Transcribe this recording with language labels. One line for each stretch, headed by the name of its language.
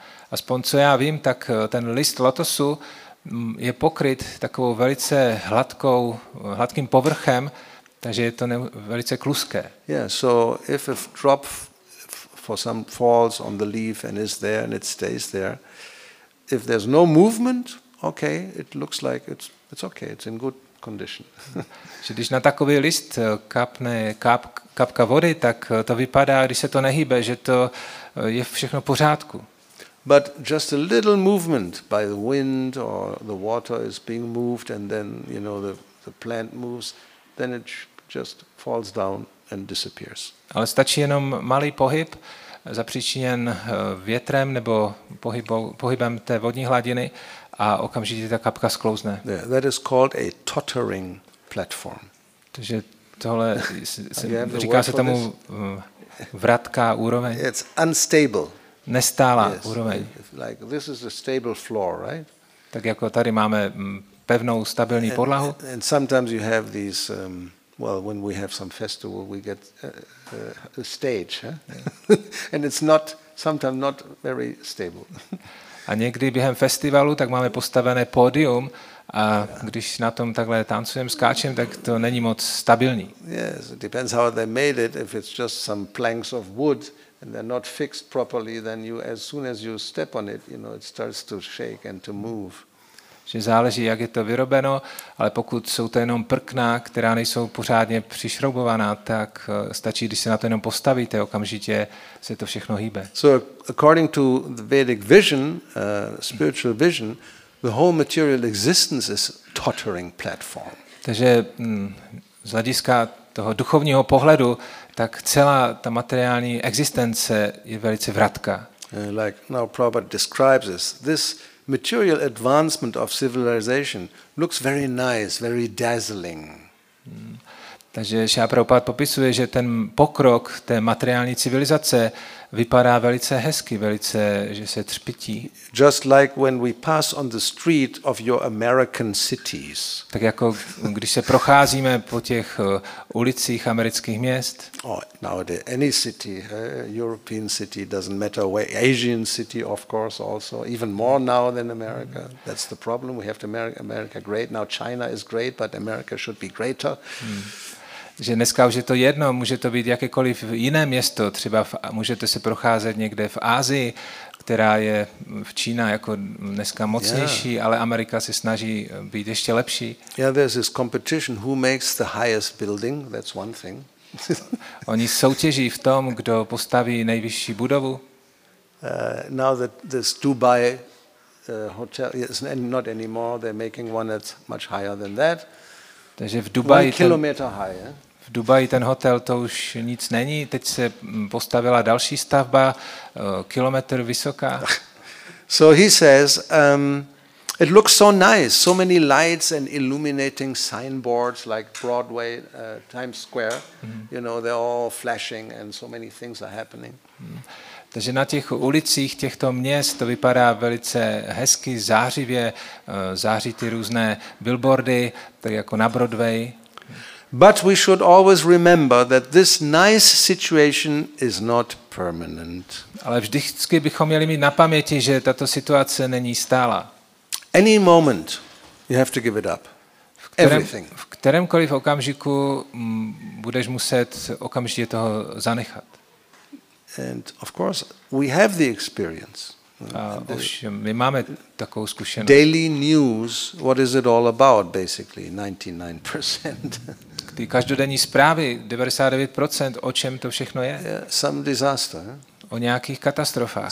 Czech: Aspoň co já vím, tak ten list lotosu je pokryt takovou velice hladkým povrchem, takže je to velice kluzké.
English: Yeah, so if a drop for some falls on the leaf and is there and it stays there, if there's no movement, okay, it looks like it's okay, it's in good condition.
Czech: Že když na takový list kapne kapka vody, tak to vypadá, když se to nehýbe, že to je všechno v pořádku.
English: But just a little movement by the wind or the water is being moved, and then you know the plant moves, then it just falls down and disappears.
Czech: Ale stačí jenom malý pohyb zapříčiněn větrem nebo pohybem té vodní hladiny a okamžitě ta kapka sklouzne.
English: Yeah, that is called a tottering platform.
Czech: Takže tohle říká se tomu vratká úroveň.
English: It's unstable.
Czech: Nestálá úroveň.
English: Like this is a stable floor, right?
Czech: Tak jako tady máme pevnou stabilní podlahu.
English: And sometimes you have these well, when we have some festival, we get a stage, huh? And it's not sometimes not very stable.
Czech: A někdy během festivalu tak máme postavené pódium a když na tom takhle tancujem, skáčem, tak to není moc stabilní.
English: Yes, it depends how they made it. If it's just some planks of wood and they're not fixed properly, then you, as soon as you step on it, you know, it starts to shake and to move.
Czech: Že záleží, jak je to vyrobeno, ale pokud jsou to jenom prkna, která nejsou pořádně přišroubovaná, tak stačí, když se na to jenom postavíte, okamžitě se to všechno hýbe.
English: So according to the Vedic vision, spiritual vision, the whole material existence is tottering platform.
Czech: Takže z hlediska toho duchovního pohledu, tak celá ta materiální existence je velice vratka.
English: Like now Prabhupada describes this material advancement of civilization looks very nice, very dazzling.
Czech: Takže Šrila Prabhupada popisuje, že ten pokrok té materiální civilizace vypadá velice hezky, velice, že se třpití.
English: Just like when we pass on the street of your American cities.
Czech: Tak jako když se procházíme po těch ulicích amerických měst.
English: Oh, nowadays any city, European city, doesn't matter where, Asian city of course also, even more now than America. That's the problem, we have to make America great. Now China is great, but America should be greater.
Czech: Že dneska už je to jedno, může to být jakékoliv jiné město, třeba můžete se procházet někde v Asii, která je v Čína jako dneska mocnější, yeah, ale Amerika se snaží být ještě lepší.
English: Yeah, there's this competition, who makes the highest building, that's one thing.
Czech: Oni soutěží v tom, kdo postaví nejvyšší budovu.
English: Now that this Dubai hotel is not anymore, they're making one that's much higher than that.
Czech: Takže v Dubaji, v Dubaji ten hotel to už nic není, teď se postavila další stavba, kilometr vysoká.
English: So he says, it looks so nice, so many lights and illuminating signboards like Broadway, Times Square, you know, they're all flashing and so many things are happening.
Czech: Takže na těch ulicích těchto měst to vypadá velice hezky, zářivě, září ty různé billboardy, tak jako na Broadway.
English: But we should always remember that this nice situation is not permanent.
Czech: Ale vždycky bychom měli mít na paměti, že tato situace není stála.
English: Any moment you have to give it up. Everything.
Czech: V kterémkoliv okamžiku budeš muset okamžitě toho zanechat.
English: And of course we have the experience.
Czech: My máme takovou zkušenost.
English: Daily news, what is it all about basically 99%.
Czech: Ty každodenní zprávy 99% o čem to všechno je?
English: Some disaster.
Czech: O nějakých katastrofách.